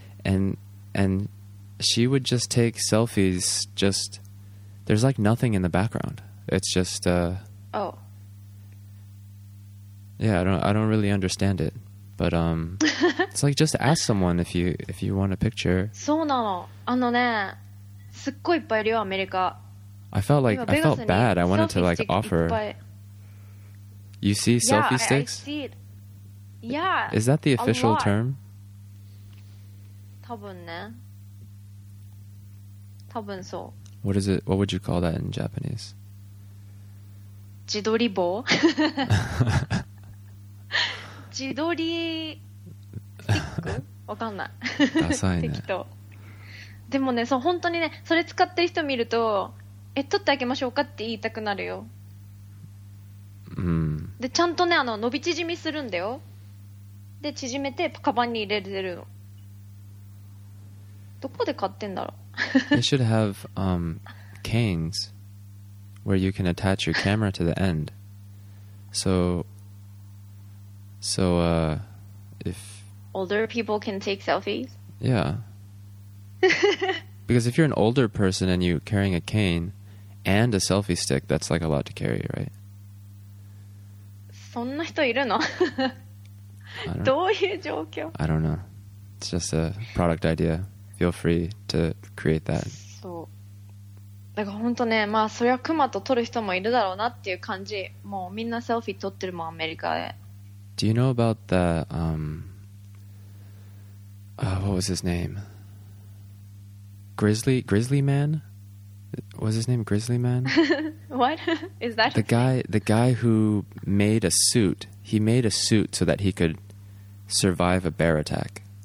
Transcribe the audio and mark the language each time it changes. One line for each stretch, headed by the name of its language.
English: And she would just take selfies, just, there's like nothing in the background. It's just, Oh. Yeah, I don't really understand it, but it's like just ask someone if you want a picture.
Japanese: そうなの。あのね、すっごいいっぱいいるよアメリカ。
English: I felt like I felt bad. I wanted to like offer. You see selfie sticks? Yeah, I see it. Yeah. Is that the official term?
Japanese: 多分ね。多分そう。
English: What is it? What would you call that in Japanese?
Japanese: 自撮り棒。自撮りスティック？わかんない。ダサいね。適当。でもね、そう本当にね、それ使ってる人見ると、え、撮ってあげましょうかって言いたくなるよ。うん。で、ちゃんとね、あの伸び縮みするんだよ。で、縮めてカバンに入れてるの。どこで買ってんだろう。
English: They should have canes where you can attach your camera to the end. So, if older people can take selfies. Yeah. Because if you're an older person and you're carrying a cane and a selfie stick, that's like a lot to carry, right?
Japanese: そんな人いるの？どういう状況？
English: I don't know. It's just a product idea. feel free to create that.
Japanese: そう。だから本当ね、まあそりゃクマと撮る人もいるだろうなっていう感じ。もうみんなセルフィー撮ってるもん、アメリカで。
English: Do you know about the, what was his name? Grizzly Man? Was his name Grizzly Man? What? Is that the guy who made a suit. He made a suit so that he could survive a bear attack.